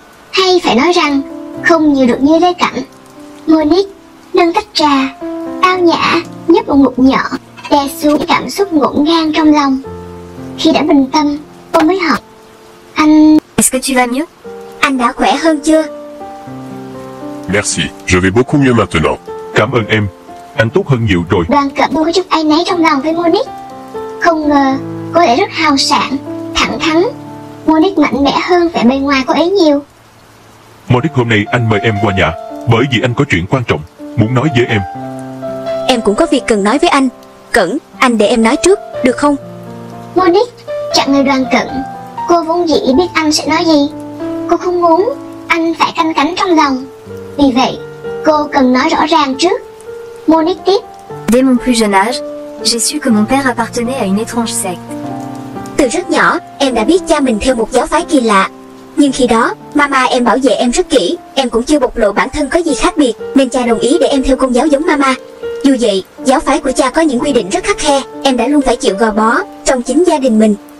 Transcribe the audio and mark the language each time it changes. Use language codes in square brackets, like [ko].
[vi] Hay phải nói rằng không nhiều được như Lê Cảnh. Monique nâng tách trà, tao nhã nhấp một ngụm nhỏ, đè xuống cảm xúc ngổn ngang trong lòng. Khi đã bình tâm, cô mới hỏi anh, anh đã khỏe hơn chưa? [fr] Merci, je vais beaucoup mieux maintenant. [vi] Cảm ơn em, anh tốt hơn nhiều rồi. Đoàn Cận có chút áy náy trong lòng với Monique. Không ngờ cô lại rất hào sảng, thẳng thắn. Monique mạnh mẽ hơn vẻ bề ngoài cô ấy nhiều. Monique, hôm nay anh mời em qua nhà bởi vì anh có chuyện quan trọng muốn nói với em. Em cũng có việc cần nói với anh. Cẩn, anh để em nói trước, được không? Monique chặn lời Đoàn Cận. Cô vốn dĩ biết anh sẽ nói gì. Cô không muốn anh phải canh cánh trong lòng. Vì vậy, cô cần nói rõ ràng trước. Monique tiếp. [fr] Dès mon plus jeune âge, j'ai su que mon père appartenait à une étrange secte. [vi] Từ rất nhỏ, em đã biết cha mình theo một giáo phái kỳ lạ. Nhưng khi đó, mama em bảo vệ em rất kỹ, em cũng chưa bộc lộ bản thân có gì khác biệt, nên cha đồng ý để em theo công giáo giống mama. Dù vậy, giáo phái của cha có những quy định rất khắt khe, em đã luôn phải chịu gò bó trong chính gia đình mình.